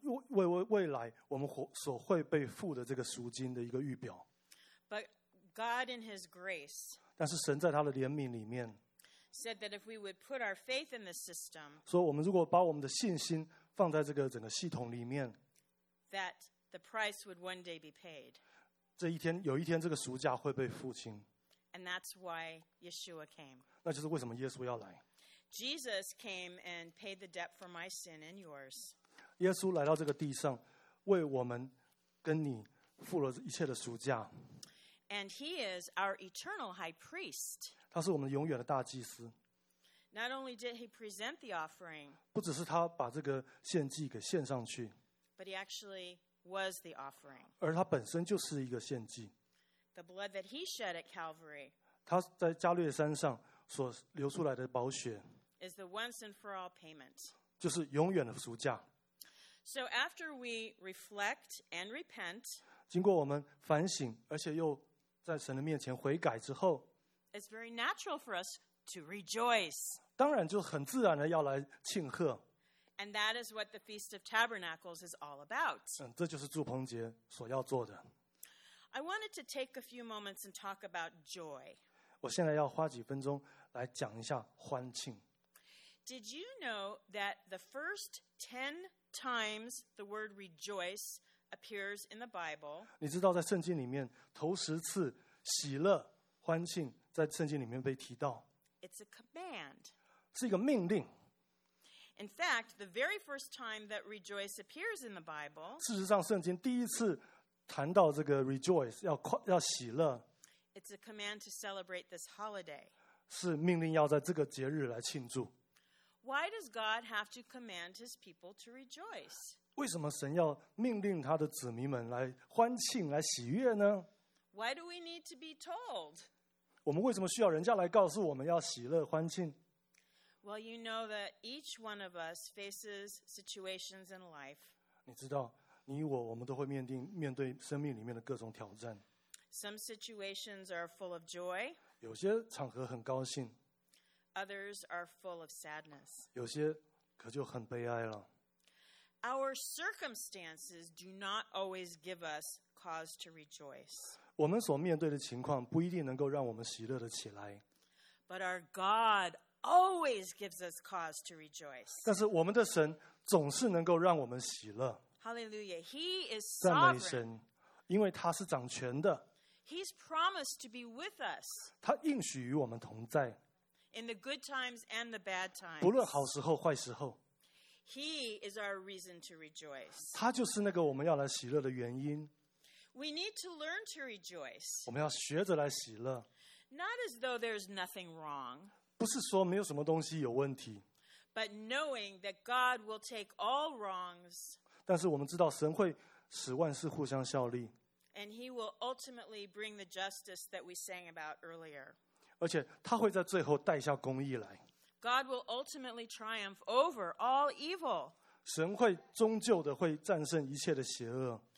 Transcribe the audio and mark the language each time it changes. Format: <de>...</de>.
<zh>为未来我们所会被付的这个赎金的一个预表。</zh> <en>But God in His grace.</en> <zh>但是神在他的怜悯里面。</zh> <en>Said that if we would put our faith in the system.</en> <zh>说我们如果把我们的信心放在这个整个系统里面。</zh> <en>That the price would one day be paid.</en> <zh>这一天，有一天，这个赎价会被付清。</zh> <en>And that's why Yeshua came.</en> <zh>那就是为什么耶稣要来。</zh> <en>Jesus came and paid the debt for my sin and yours.</en> <zh>耶稣来到这个地上，为我们跟你付了一切的赎价。</zh> <en>And he is our eternal high priest.</en> <zh>他是我们永远的大祭司。</zh> <en>Not only did he present the offering.</en> <zh>不只是他把这个献祭给献上去。</zh> <en>But he actually. Was the offering.</en> <zh>而他本身就是一个献祭。</zh> <en>The blood that he shed at Calvary.</en> <zh>他在加略山上所流出来的宝血。</zh> <en>Is the once and for all payment.</en> <zh>就是永远的赎价。</zh> <en>So after we reflect and repent.</en> <zh>经过我们反省，而且又在神的面前悔改之后。</zh> <en>It's very natural for us to rejoice.</en> <zh>当然就很自然的要来庆贺。</zh> <en>And that is what the Feast of Tabernacles is all about.</en> <zh>这就是祝棚节所要做的。</zh> <en>I wanted to take a few moments and talk about joy.</en> <zh>我现在要花几分钟来讲一下欢庆。</zh> <en>Did you know that the first 10 times the word rejoice appears in the Bible?</en> <zh>你知道在圣经里面头十次喜乐欢庆在圣经里面被提到。</zh> <en>It's a command.</en> <zh>是一个命令。</zh> <en>In fact, the very first time that rejoice appears in the Bible,</en> <zh>事实上圣经第一次谈到这个 rejoice, 要喜乐。</zh> <en>It's a command to celebrate this holiday.</en> <zh>是命令要在这个节日来庆祝。</zh> <en>Why does God have to command his people to rejoice?</en> <zh>为什么神要命令他的子民们来欢庆，来喜悦呢？</zh> <en>Why do we need to be told?</en> <zh>我们为什么需要人家来告诉我们要喜乐欢庆？</zh> <en>Well, you know that each one of us faces situations in life.</en> <zh>你知道，你我我们都会面对生命里面的各种挑战。</zh> <en>Some situations are full of joy.</en> <zh>有些场合很高兴。</zh> <en>Others are full of sadness.</en> <zh>有些可就很悲哀了。</zh> <en>Our circumstances do not always give us cause to rejoice.</en> <zh>我们所面对的情况不一定能够让我们喜乐的起来。</zh> <en>But our God always gives us cause to rejoice.</en> <zh>但是我们的神总是能够让我们喜乐。</zh> <en>Hallelujah. He is sovereign.</en> <zh>赞美神，因为他是掌权的。</zh> <en>He's promised to be with us.</en> <zh>他应许与我们同在。</zh> <en>in the good times and the bad times.</en> <zh>不论好时候坏时候。</zh> <en>He is our reason to rejoice.</en> <zh>他就是那个我们要来喜乐的原因。</zh> <en>We need to learn to rejoice.</en> <zh>我们要学着来喜乐。</zh> <en>Not as though there's nothing wrong.</en> <zh>不是说没有什么东西有问题。</zh> <en>But knowing that God will take all wrongs.</en> <zh>但是我们知道神会使万事互相效力。</zh> <en>And he will ultimately bring the justice that we sang about earlier.</en> <zh>而且他会在最后带下公义来。</zh> <en>God will ultimately triumph over all evil.</en> <zh>神会终究的会战胜一切的邪恶。</zh>